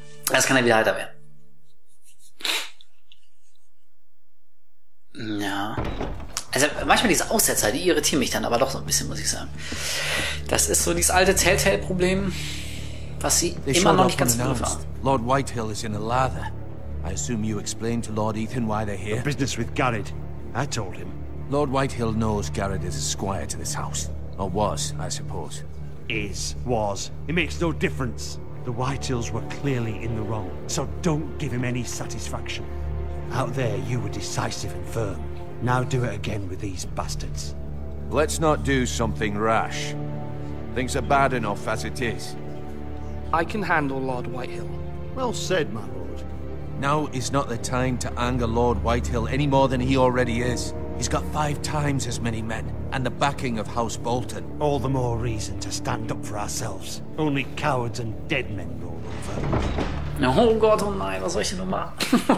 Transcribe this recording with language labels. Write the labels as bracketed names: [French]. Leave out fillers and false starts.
[German] Das kann ja wieder heiter werden. Ja. Also manchmal diese Aussetzer, die irritieren mich dann aber doch so ein bisschen, muss ich sagen. Das ist so dieses alte Telltale-Problem, was sie [English] they [German] immer noch nicht ganz gut war. [English] Lord Whitehill is in a lather. I assume you explained to Lord Ethan why they're here. The business with Garrett. I told him. Lord Whitehill knows Garrett is a squire to this house. Or was, I suppose. Is, was. It makes no difference. The Whitehills were clearly in the wrong, so don't give him any satisfaction. Out there, you were decisive and firm. Now do it again with these bastards. Let's not do something rash. Things are bad enough as it is. I can handle Lord Whitehill. Well said, my lord. Now is not the time to anger Lord Whitehill any more than he already is. He's got 5 times as many men, and the backing of House Bolton. All the more reason to stand up for ourselves. Only cowards and dead men rule over. [German] Oh Gott, oh nein, was soll ich denn noch machen?